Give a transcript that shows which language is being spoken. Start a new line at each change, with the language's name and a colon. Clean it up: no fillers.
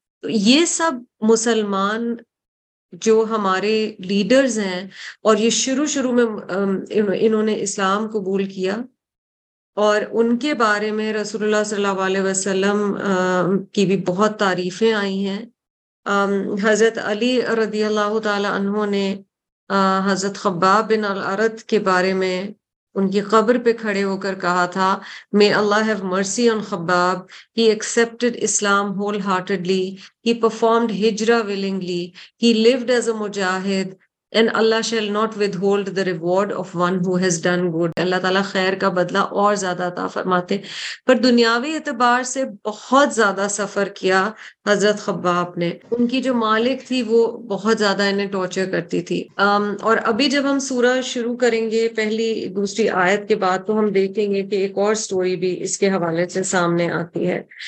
Urdu: یہ سب مسلمان جو ہمارے لیڈرز ہیں اور یہ شروع میں انہوں نے اسلام قبول کیا اور ان کے بارے میں رسول اللہ صلی اللہ علیہ وسلم کی بھی بہت تعریفیں آئی ہیں. حضرت علی رضی اللہ تعالی عنہ نے حضرت خباب بن الارت کے بارے میں ان کی قبر پہ کھڑے ہو کر کہا تھا
English: May Allah have mercy on Khabbab. He accepted Islam wholeheartedly. He performed hijra willingly. He lived as a mujahid. And Allah shall not withhold the reward of one who has done good.
Urdu: Allah تعالیٰ خیر کا بدلہ اور زیادہ عطا فرماتے. پر دنیاوی اعتبار سے بہت زیادہ سفر کیا حضرت خباب نے. ان کی جو مالک تھی وہ بہت زیادہ انہیں ٹارچر کرتی تھی. اور ابھی جب ہم سورہ شروع کریں گے پہلی دوسری آیت کے بعد تو ہم دیکھیں گے کہ ایک اور سٹوری بھی اس کے حوالے سے سامنے آتی ہے.